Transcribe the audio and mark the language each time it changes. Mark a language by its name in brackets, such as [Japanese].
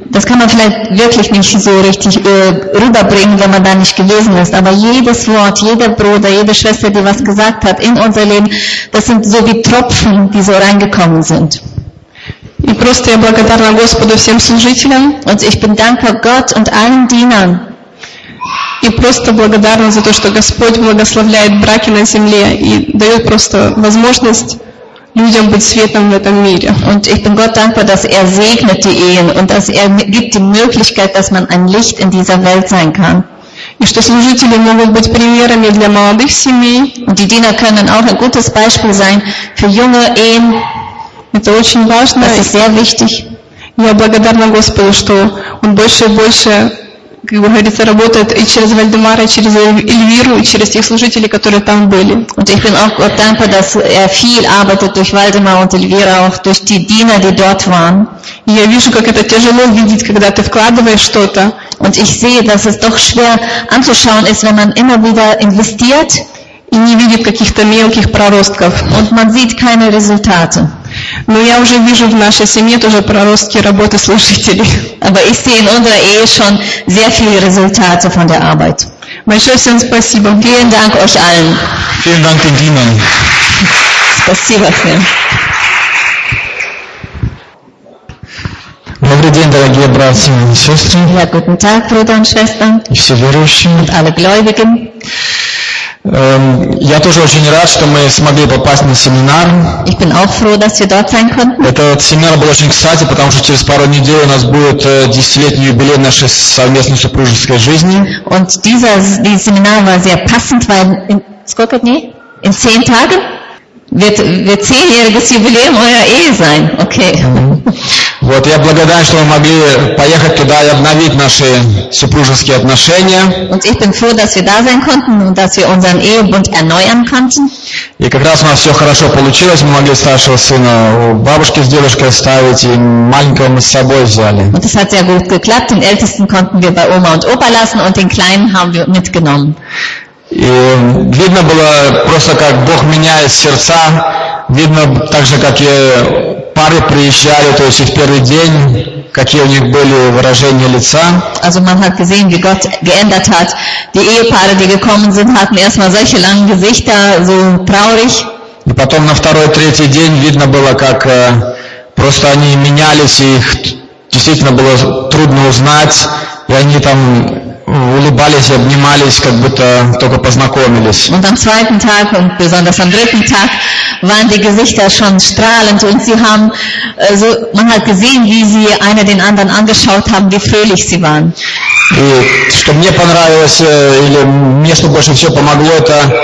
[German] Das kann man vielleicht wirklich nicht so richtig rüberbringen, wenn man da nicht gewesen ist. Aber jedes Wort, jeder Bruder, jede Schwester, die was gesagt hat in unser Leben, das sind so wie Tropfen, die so reingekommen sind. [Russian] И просто я благодарна Господу всем служителям. [German] Und ich bin dankbar Gott und allen Dienern. [Russian] И просто благодарна за то, что Господь благословляет браки на земле и дает просто возможность людям быть светом в этом мире. [German] Und ich bin Gott dankbar, dass er segnet die Ehen und dass er gibt die Möglichkeit, dass man ein Licht in dieser Welt sein kann. [Russian] И что служители могут быть примерами для молодых семей. [German] Und die Diener können auch ein gutes Beispiel sein für junge Ehen. [Russian] Это очень важно. [German] Das ist sehr wichtig. [Russian] Я благодарна Господу, что Он больше и больше, как говорится, работает и через Вальдемара, и через Эльвиру, и через тех служителей, которые там были. [German] Und ich bin auch Gott dankbar, dass er viel arbeitet durch Waldemar und Elvira, auch durch die Diener, die dort waren. [Russian] И я вижу, как это тяжело видеть, когда ты вкладываешь что-то. [German] Und ich sehe, dass es doch schwer anzuschauen ist, wenn man immer wieder investiert. [Russian] И не видит каких-то мелких проростков. [German] Und man sieht keine Resultate. [Russian] Но я уже вижу в нашей семье тоже проростки работы служителей. [German] Aber ich sehe in unserer Ehe schon sehr viele Resultate von der Arbeit. [Russian] Большое всем спасибо. [German] Vielen Dank euch allen. Vielen Dank den Dienern. [Russian] Спасибо всем. Добрый день, дорогие братья и сестры. [German] Ja, guten Tag, Brüder und Schwestern. [Russian] И все верующие. [German] Und alle Gläubigen. [Russian] Я тоже очень рад, что мы смогли попасть на семинар. [German] Ich bin auch froh, dass wir dort sein konnten. [Russian] Этот семинар был очень кстати, потому что через пару недель у нас будет 10-летний юбилей нашей совместной супружеской жизни. [German] Und dieser Seminar war sehr passend, weil in [Russian] сколько дней? [German] In 10 Tagen? Wird 10-jähriges Jubiläum euer Ehe sein. Okay. [Russian] Вот я благодарен, что мы могли поехать туда и обновить наши супружеские отношения. [German] Und ich bin froh, dass wir da sein konnten und dass wir unseren Ehebund erneuern konnten. [Russian] И как раз у нас все хорошо получилось, мы могли старшего сына у бабушки с дедушкой оставить и маленького мы с собой взяли. [German] Und es hat sehr gut geklappt. Den Ältesten konnten wir bei Oma und Opa lassen und den Kleinen haben wir mitgenommen. [Russian] И видно было просто, как Бог меняет сердца. Видно также, какие пары приезжали, то есть и в первый день, какие у них были выражения лица. [German] Also man hat gesehen, wie Gott geändert hat. Die Ehepaare, die gekommen sind, hatten erstmal solche langen Gesichter, so traurig. [Russian] И потом на второй, третий день видно было, как просто они менялись, и их действительно было трудно узнать, и они там улыбались и обнимались, как будто только познакомились. [German] Und am zweiten Tag und besonders am dritten Tag waren die Gesichter schon strahlend und sie haben so, man hat gesehen, wie sie einer den anderen angeschaut haben, wie fröhlich sie waren. [Russian] И что мне понравилось или мне что больше всего помогло, это